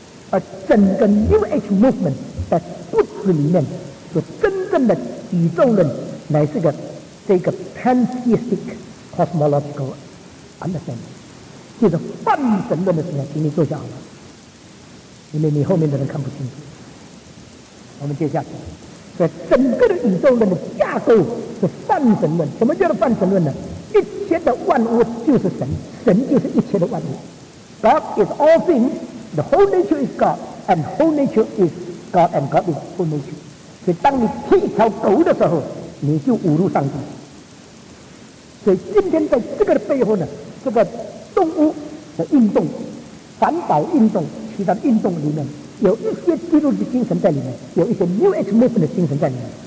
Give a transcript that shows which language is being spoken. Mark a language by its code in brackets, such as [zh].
[zh] 而整个 New Age Movement 在骨子里面所真正的宇宙论，乃是个这个 [en] Pantheistic Cosmological Understanding， [zh] 就是泛神论的思想。请你坐下好了，因为你后面的人看不清楚。我们接下去，在整个的宇宙论的架构是泛神论。什么叫做泛神论呢？一切的万物就是神，神就是一切的万物。 [en] God is all things, the whole nature is God, and whole nature is God, and God is whole nature. [zh] 所以当你踢一条狗的时候，你就侮辱上帝。所以今天在这个背后呢，这个动物的运动、环保运动、其他运动里面，有一些基督的精神在里面，有一些 New Age Movement 的精神在里面。